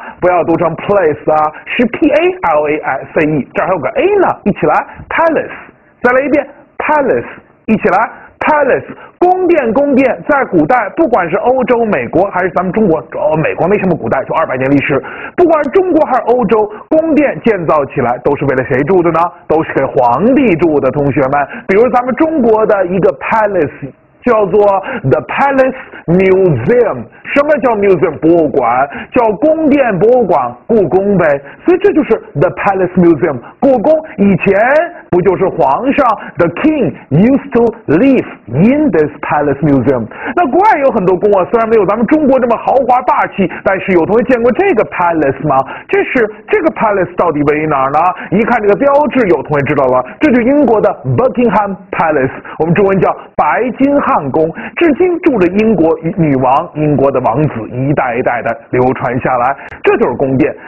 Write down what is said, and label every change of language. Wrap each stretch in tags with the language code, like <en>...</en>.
<zh>不要读成 place 啊，是 palace，这还有个 A 呢，一起来 Palace， 再来一遍 Palace， 一起来 Palace， 宫殿，宫殿，在古代，不管是欧洲、美国还是咱们中国，美国没什么古代，就200年历史，不管是中国还是欧洲，宫殿建造起来都是为了谁住的呢？都是给皇帝住的，同学们。比如咱们中国的一个 Palace叫做 The Palace Museum， 什么叫 Museum 博物馆？叫宫殿博物馆，故宫呗。所以这就是 The Palace Museum， 故宫。以前不就是皇上</zh> <en>The King used to live in this Palace Museum。</en> <zh>那国外有很多宫啊，虽然没有咱们中国这么豪华霸气，但是有同学见过这个 Palace 吗？这个 Palace 到底位于哪儿呢？一看这个标志，有同学知道了，这就是英国的 Buckingham Palace， 我们中文叫白金汉宫，至今住着英国女王，英国的王子一代一代的流传下来，这就是宫殿。</zh>